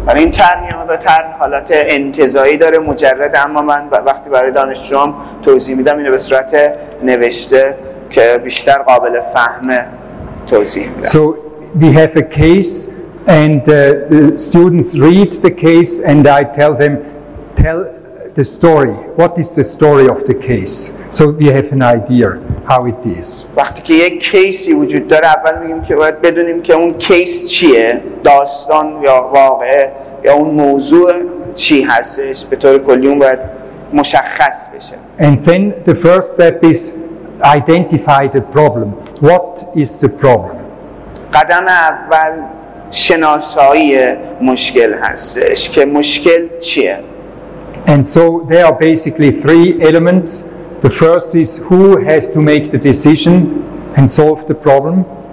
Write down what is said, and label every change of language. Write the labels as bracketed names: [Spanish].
[Persian] برای این طرح یه مقدار حالت انتزاعی داره، مجرد، اما من وقتی برای دانشجوام توضیح میدم اینو به صورت نوشته که بیشتر قابل فهم توضیح میدم. [English] So we have a case and the students read the case and I tell them, tell the story. What is the story of the case? So we have an idea how it is. [Persian] وقتی که یک کیسی وجود داره، اول میگیم که باید بدونیم که اون کیس چیه، داستان یا واقعه یا اون موضوع چی هستش، به طور کلی اون باید مشخص بشه. [English] And then the first step is identify the problem. What is the problem? [Persian] قدم اول شناسایی مشکل هستش که مشکل چیه. [English] And so there are basically three elements. The first is who has to make the decision and solve the problem.